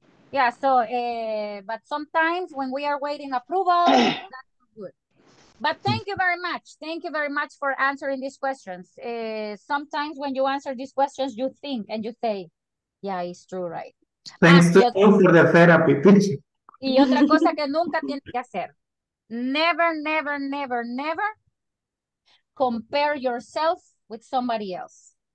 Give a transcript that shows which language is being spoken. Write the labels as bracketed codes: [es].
[en] Yeah, so, but sometimes when we are waiting approval, that's good. But thank you very much. Thank you very much for answering these questions. Sometimes when you answer these questions, you think and you say, yeah, it's true, right? Thanks to you for the therapy, [es] teacher. Y otra cosa que nunca tienes que hacer. [en] Never, never, never, never compare yourself with somebody else.